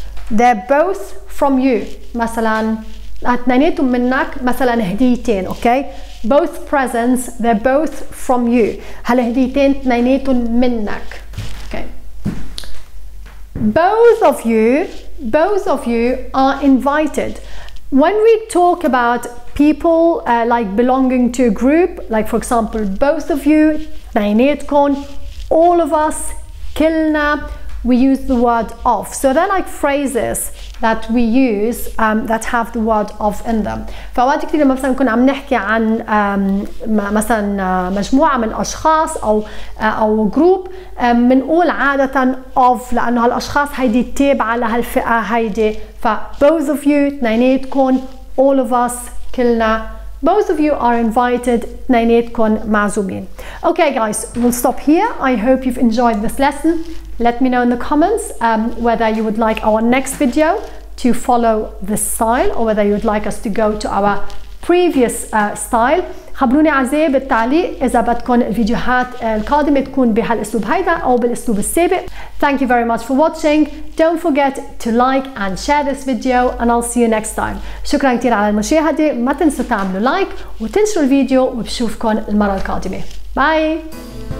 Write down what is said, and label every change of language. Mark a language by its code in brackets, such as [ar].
[en] They're both from you. [ar] مثلاً اتنينيتهم منك مثلا هديتين. [en] okay, both presents, they're both from you. [ar] هل هديتين اتنينيتهم منك. [en] okay, both of you are invited. When we talk about people like belonging to a group, like for example both of you, [ar] اتنينيتكم, [en] all of us, [ar] كلنا, [en] we use the word of. So they're like phrases that we use that have the word of in them. [ar] فأوقات كثيرة مثلا نكون عم نحكي عن مثلا مجموعة من أشخاص أو جروب, منقول عادة of, لأنه هالأشخاص هيدي تابعة لهالفئة هيدي. [en] ف both of you, [ar] اثنيناتكم, [en] all of us, [ar] كلنا, [en] both of you are invited, [ar] اثنيناتكم معزومين. [en] Okay guys, we'll stop here. I hope you've enjoyed this lesson. Let me know in the comments whether you would like our next video to follow this style or whether you would like us to go to our previous style. [ar] خبروني عزيزي بالتعليق إذا بدكم الفيديوهات القادمة تكون بهالأسلوب هيدا أو بالأسلوب السابق. [en] Thank you very much for watching. Don't forget to like and share this video and I'll see you next time. [ar] شكرا كتير على المشاهدة. ما تنسوا تعملوا لايك وتنشروا الفيديو وبشوفكم المرة القادمة. Bye.